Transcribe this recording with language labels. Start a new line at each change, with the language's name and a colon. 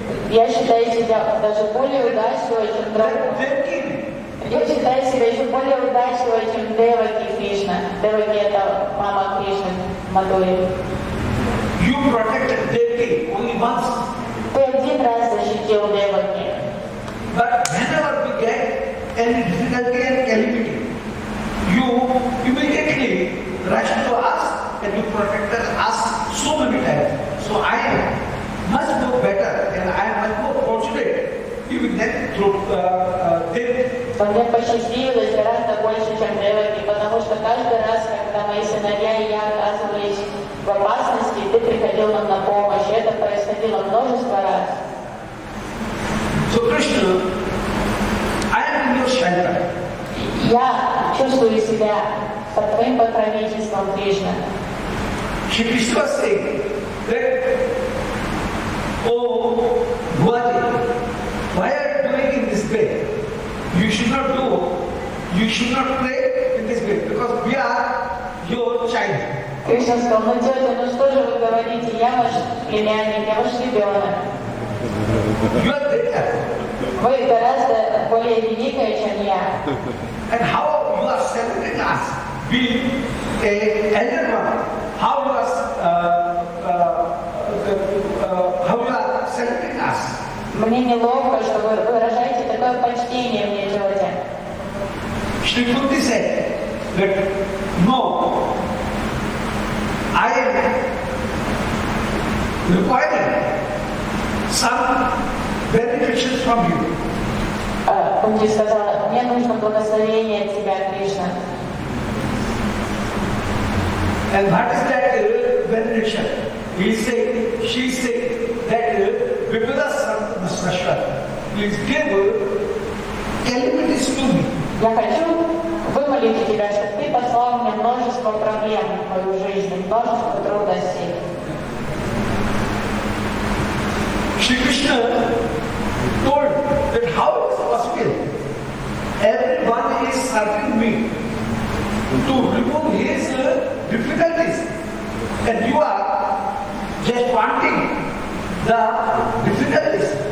Russian: Я считаю себя даже более удачливой, чем Дэвоки. Я считаю себя еще более удачливой, чем Дэвоки Кришна. Дэвоки — это мама Кришны, Мадури.
English: You protected Дэвоки only once.
Russian: Ты один раз защитил Дэвоки.
English: But whenever we get any difficulty and calamity, you immediately rush to us and you protected us so many times. So I am much more better and I am much more fortunate even then through
Russian: мне посчастливилось гораздо больше, чем Деваки, потому что каждый раз, когда мои сыновья и я оказывались в опасности, ты приходил нам на помощь. Это происходило множество раз.
English: So Krishna, I am in your shelter.
Russian: Я чувствую себя под твоим покровительством, Кришна.
English: Shri Krishna was saying that, O Bhuaji, why are you doing in this way? You should not pray in this way, because we are your child.
Russian: Кришна сказал, тетя, ну что же вы говорите, я ваш племянник, я ваш ребенок.
English: You are greater.
Russian: Вы гораздо более великая, чем я.
English: And how you are celebrating us, being a elder one, how you are celebrating us?
Russian: Мне неловко, что вы выражаете такое почтение мне, тетя.
English: Shri Kunti said that, no, I am requiring some benefits from you.
Russian: Кунти сказала, мне нужно благословение от тебя, Кришна.
English: And what is that benediction? He is saying, she is saying that Vipula Sarvanasrashva, please give calamities to me.
Russian: Я хочу вымолить тебя, чтобы ты послал мне множество проблем в мою жизнь, множество трудностей.
English: Shri Krishna told that how is it possible? Everyone is serving me to remove his difficulties. And you are just wanting the difficulties.